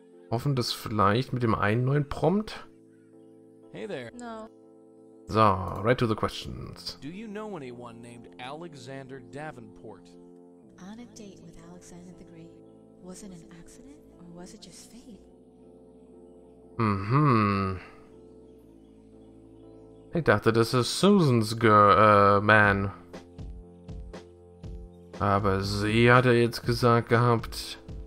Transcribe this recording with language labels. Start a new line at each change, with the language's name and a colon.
German: Hoffen, dass vielleicht mit dem einen neuen Prompt.
English: Hey there. No. So, right to the questions. Do you know anyone named Alexander Davenport? On a date with Alexander the Great. Was it an accident or was it just fate? Mhm.
German: Ich dachte, das ist Susan's man. Aber sie hat er jetzt gesagt gehabt.